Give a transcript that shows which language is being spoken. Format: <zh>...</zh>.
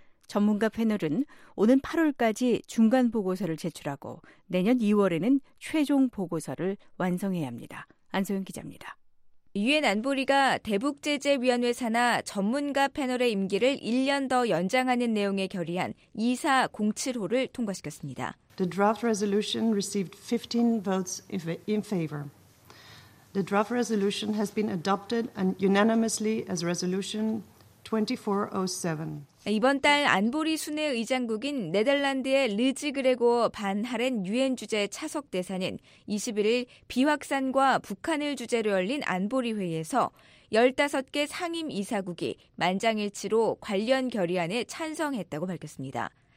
<ko>전문가 패널은 오는 8월까지 중간 보고서를 제출하고 내년 2월에는 최종 보고서를 완성해야 합니다. 안소영 기자입니다. 유엔 안보리가 대북제재위원회 산하 전문가 패널의 임기를 1년 더 연장하는 내용에 결의한 2407호를 통과시켰습니다.</ko> <en>The draft resolution received 15 votes in favor. The draft resolution has been adopted and unanimously as resolution 2407.</en> <ko>이번 달 안보리 순회 의장국인 네덜란드의 르즈 그레고 반 하렌 유엔 주재 차석 대사는 21일 비확산과 북한을 주제로 열린 안보리 회의에서 15개 상임 이사국이 만장일치로 관련 결의안에 찬성했다고 밝혔습니다.</ko>